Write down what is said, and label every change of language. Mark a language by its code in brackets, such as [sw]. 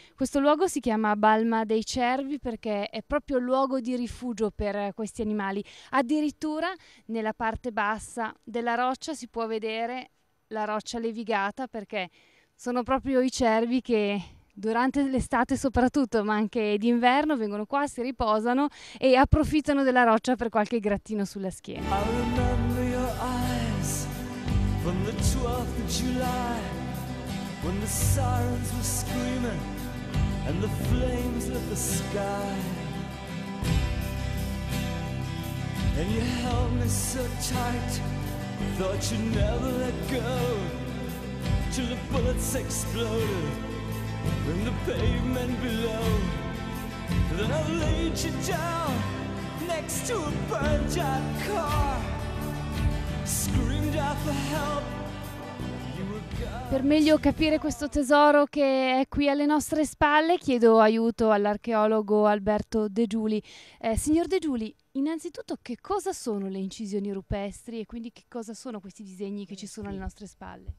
[it] Questo luogo si chiama Balma dei Cervi perché è proprio luogo di rifugio per questi animali. Addirittura nella parte bassa della roccia si può vedere la roccia levigata, perché sono proprio i cervi che durante l'estate soprattutto, ma anche d'inverno, vengono qua, si riposano e approfittano della roccia per qualche grattino sulla schiena. [en] I remember your eyes from the 12th of July, when the sirens were screaming and the flames lit the sky. And you held me so tight, thought you'd never let go, till the bullets exploded in the pavement below. Then I laid you down next to a burnt out car, screamed out for help. [it] Per meglio capire questo tesoro che è qui alle nostre spalle, chiedo aiuto all'archeologo Alberto De Giuli. Signor De Giuli, innanzitutto, che cosa sono le incisioni rupestri e quindi che cosa sono questi disegni che ci sono alle nostre spalle?